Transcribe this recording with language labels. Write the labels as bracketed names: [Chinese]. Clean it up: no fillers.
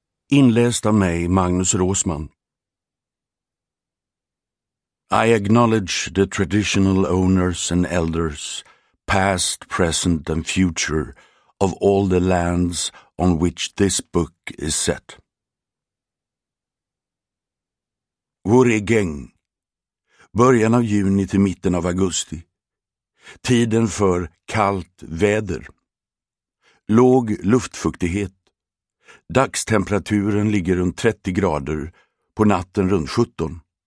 [Swedish] Inläst av mig, Magnus Rosman. [English] I acknowledge the traditional owners and elders, past, present and future, of all the lands on which this book is set. Wurigeng. [Swedish] Början av juni till mitten av augusti. Tiden för kallt väder. Låg luftfuktighet. Dagstemperaturen ligger runt 30 grader, på natten runt 17.